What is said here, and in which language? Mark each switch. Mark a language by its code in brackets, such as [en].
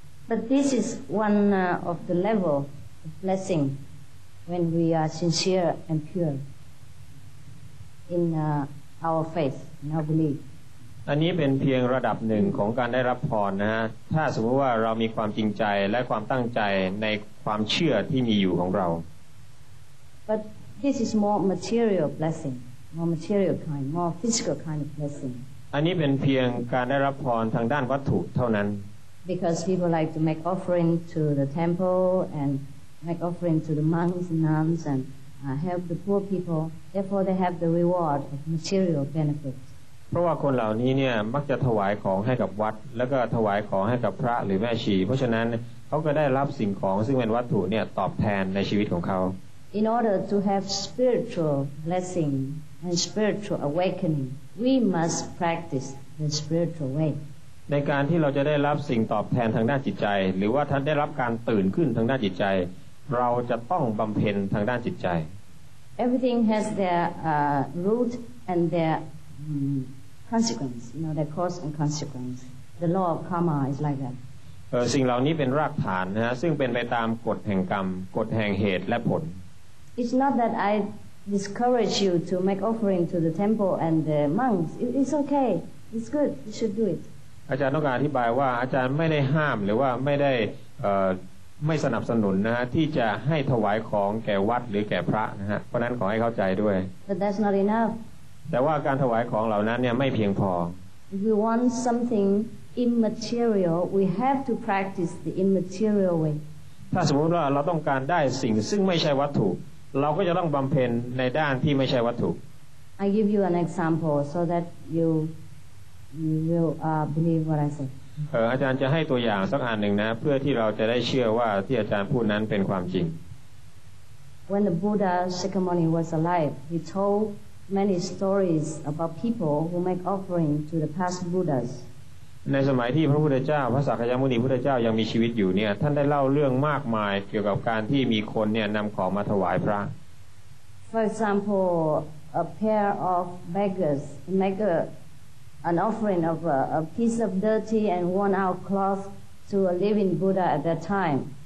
[en] But this is one of the level of blessing when we are sincere and pure in our faith in our belief [th] อันนี้เป็นเพียงระดับหนึ่งของการได้รับพรนะฮะถ้าสมมติว่าเรามีความจริงใจและความตั้งใจในความเชื่อที่มีอยู่ของเรา [en] But this is more material blessing more material kind more physical kind of blessing [th] อันนี้เป็นเพียงการได้รับพรทางด้านวัตถุเท่านั้น [en] Because people like to make offering to the temple and make offering to the monks and nuns and help the poor people therefore they have the reward of material benefits [th] เพราะว่าคนเหล่านี้เนี่ยมักจะถวายของให้กับวัดแล้วก็ถวายของให้กับพระหรือแม่ชีเพราะฉะนั้นเขาก็ได้รับสิ่งของซึ่งเป็นวัตถุเนี่ยตอบแทนในชีวิตของเขา [en] In order to have spiritual blessing and spiritual awakening we must practice the spiritual way [th] ในการที่เราจะได้รับสิ่งตอบแทนทางด้านจิตใจหรือว่าท่านได้รับการตื่นขึ้นทางด้านจิตใจเราจะต้องบำเพ็ญทางด้านจิตใจ [en] Everything has their root and theirconsequence you know the cause and consequence the law of karma is like that [th] สิ่งเหล่านี้เป็นรากฐานนะฮะซึ่งเป็นไปตามกฎแห่งกรรมกฎแห่งเหตุและผล [en] It's not that I discourage you to make offering to the temple and the monks it's okay it's good you should do it [th] อาจารย์ต้องการอธิบายว่าอาจารย์ไม่ได้ห้ามหรือว่าไม่ได้ไม่สนับสนุนนะฮะที่จะให้ถวายของแก่วัดหรือแก่พระนะฮะเพราะนั้นขอให้เข้าใจด้วย [en] But that's not enough [th] แต่ว่าการถวายของเหล่านั้นเนี่ยไม่เพียงพอ [en] If we want something immaterial we have to practice the immaterial way [th] ถ้าสมมุติว่าเราต้องการได้สิ่งซึ่งไม่ใช่วัตถุเราก็จะต้องบำเพ็ญในด้านที่ไม่ใช่วัตถุ [en] I give you an example so that you will believe what I say [th] อาจารย์จะให้ตัวอย่างสักอันนึงนะเพื่อที่เราจะได้เชื่อว่าที่อาจารย์พูดนั้นเป็นความจริง [en] When the Buddha Shakyamuni was alive he toldmany stories about people who make offering to the past buddhas [th] ในสมัยที่พระพุทธเจ้าพระสักยมุนีพุทธเจ้ายังมีชีวิตอยู่เนี่ยท่านได้เล่าเรื่องมากมายเกี่ยวกับการที่มีคนเนี่ยนําของมาถวายพระ [en] For example a pair of beggars make an offering of a piece of dirty and worn out cloth to a living buddha at that time